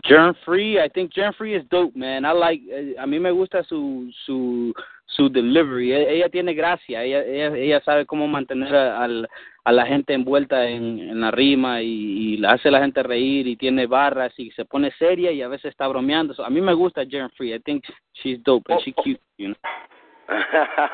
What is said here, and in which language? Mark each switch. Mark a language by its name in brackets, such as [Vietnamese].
[English] Germ Free, I think Germ Free is dope, man. [Spanish] A mí me gusta su delivery. Ella tiene gracia, ella sabe cómo mantener a la gente envuelta en la rima y hace a la gente reír y tiene barras y se pone seria y a veces está bromeando. [English] So, [Spanish] a mí me gusta [English] Jaren Free. I think she's dope and she's cute, you know.